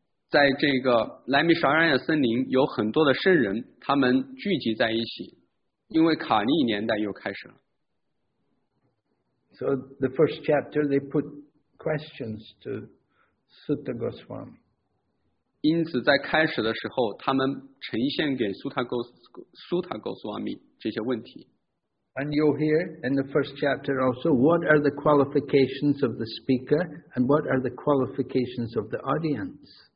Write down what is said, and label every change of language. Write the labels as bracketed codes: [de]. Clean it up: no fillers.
[zh] 在这个莱米沙兰雅森林，有很多的圣人，他们聚集在一起，因为卡利年代又开始了。 [en] So the first chapter, they put questions to Sutta Goswami. [zh] 因此在开始的时候他们呈现给苏塔戈斯瓦米这些问题。 [en] And you'll hear in the first chapter also what are the qualifications of the speaker and what are the qualifications of the audience.